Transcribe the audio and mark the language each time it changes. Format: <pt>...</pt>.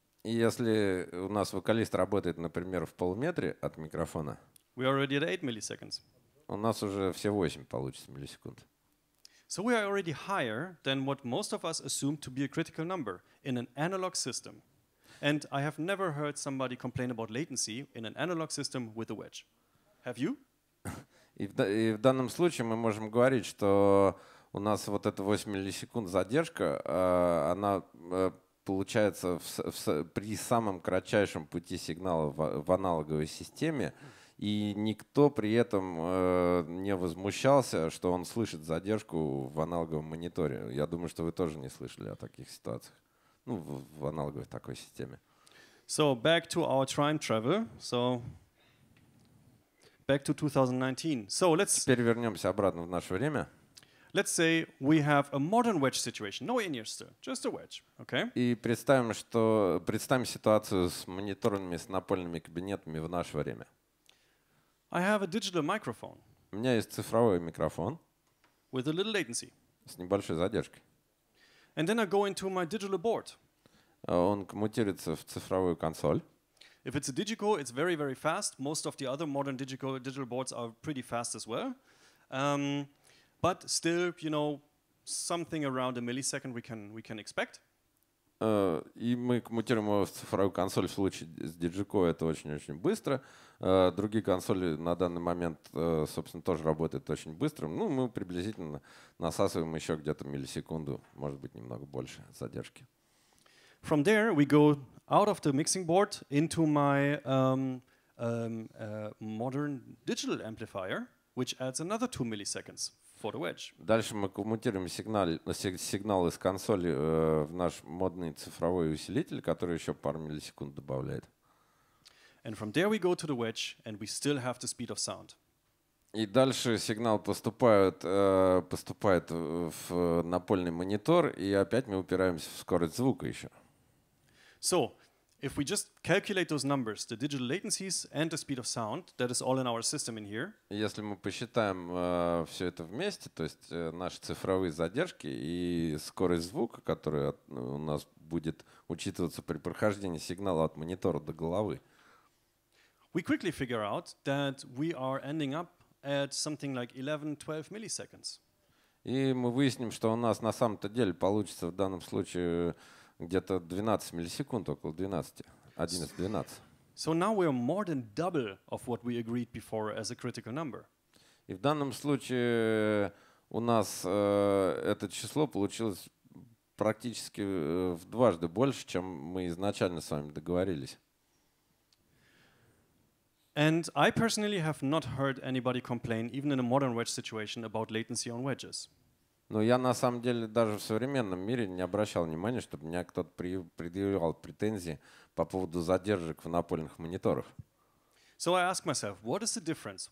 <ru>И если у нас вокалист работает, например, в полуметре от микрофона,</ru> <en>we already at 8 milliseconds.</en> <ru>У нас уже все 8 получится миллисекунд.</ru> <en>So we are already higher than what most of us assume to be a critical number in an analog system. And I have never heard somebody complain about latency in an analog system with a wedge. Have you?</en> <ru>И в данном случае мы можем говорить, что у нас вот эта 8 миллисекунд задержка, она получается при самом кратчайшем пути сигнала в аналоговой системе, и никто при этом не возмущался, что он слышит задержку в аналоговом мониторе. Я думаю, что вы тоже не слышали о таких ситуациях, ну, в аналоговой такой системе.</ru> <en>So back to our time travel. So back to 2019.</en> <ru>Теперь вернемся обратно в наше время.</ru> <en>Let's say we have a modern wedge situation, no in-ear stir, just a wedge, okay?</en> <ru>И представим ситуацию с мониторными, с напольными кабинетами в наше время.</ru> <en>I have a digital microphone.</en> <ru>У меня есть цифровой микрофон.</ru> <en>With a little latency.</en> <ru>С небольшой задержкой.</ru> <en>And then I go into my digital board.</en> <ru>Он коммутируется в цифровую консоль.</ru> <en>If it's a digico, it's very, very fast. Most of the other modern digital boards are pretty fast as well. But still, you know, something around a millisecond we can expect.</en> <ru>И мы коммутируем его в цифровую консоль. В случае с диджико это очень-очень быстро. Другие консоли на данный момент, собственно, тоже работают очень быстро. Ну, мы приблизительно насасываем еще где-то миллисекунду, может быть, немного больше задержки.</ru> <en>From there we go out of the mixing board into my modern digital amplifier, which adds another 2 milliseconds for the wedge.</en> <ru>Дальше мы коммутируем сигнал из консоли в наш модный цифровой усилитель, который еще пару миллисекунд добавляет.</ru> <en>And from there we go to the wedge, and we still have the speed of sound.</en> <ru>И дальше сигнал поступает в напольный монитор, и опять мы упираемся в скорость звука еще.</ru> <en>So, if we just calculate those numbers, the digital latencies and the speed of sound, that is all in our system in here.</en> <ru>Если мы посчитаем все это вместе, то есть наши цифровые задержки и скорость звука, которая у нас будет учитываться при прохождении сигнала от монитора до головы.</ru> <en>We quickly figure out that we are ending up at something like 11-12 milliseconds.</en> <ru>И мы выясним, что у нас на самом-то деле получится в данном случае где-то 12 миллисекунд, около 11-12.</ru> <en>So now we are more than double of what we agreed before as a critical number.</en> <ru>И в данном случае у нас это число получилось практически в дважды больше, чем мы изначально с вами договорились.</ru> <en>And I personally have not heard anybody complain, even in a modern wedge situation, about latency on wedges.</en> <ru>Но я на самом деле даже в современном мире не обращал внимания, чтобы меня кто-то предъявлял претензии по поводу задержек в напольных мониторах.</ru> <en>So I ask myself, what is the difference?</en>